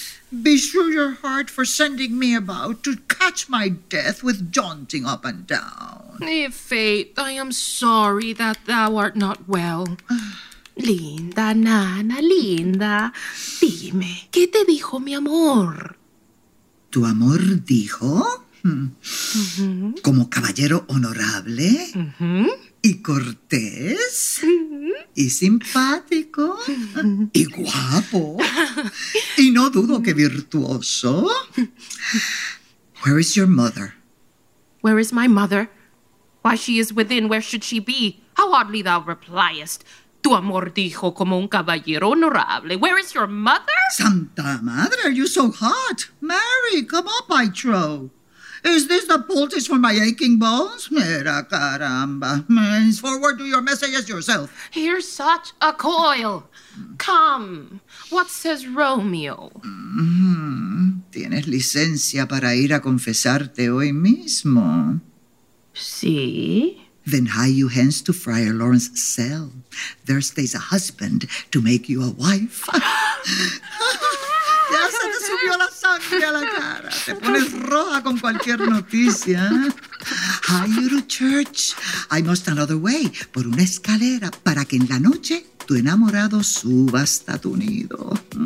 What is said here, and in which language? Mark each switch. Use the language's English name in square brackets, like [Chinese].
[English] Beshrew your heart for sending me about to catch my death with jaunting up and down. If fate, I am sorry that thou art not well. [Spanish] Linda, nana, linda, dime, ¿qué te dijo mi amor? ¿Tu amor dijo? ¿Como caballero honorable? ¿Y cortés? ¿Y simpático? ¿Y guapo? ¿Y no dudo que virtuoso? [English] Where is your mother? Where is my mother? Why, she is within, where should she be? How oddly thou repliest. [Spanish] Tu amor dijo como un caballero honorable. [English] Where is your mother? [Spanish] Santa madre, [English] are you so hot? Mary, come up, I trow. Is this the poultice for my aching bones? [Spanish] Mira, caramba. [English] Forward to your messages yourself. Here's such a coil. Come, what says Romeo? [Spanish] ¿Tienes licencia para ir a confesarte hoy mismo? Sí. [English] Then hie you hence to Friar Lawrence's cell. There stays a husband to make you a wife. [Spanish] Ya se te subió la sangre a la cara. Te pones roja con cualquier noticia. [English] Hie you to church. I must another way, [Spanish] por una escalera, para que en la noche tu enamorado suba hasta tu nido.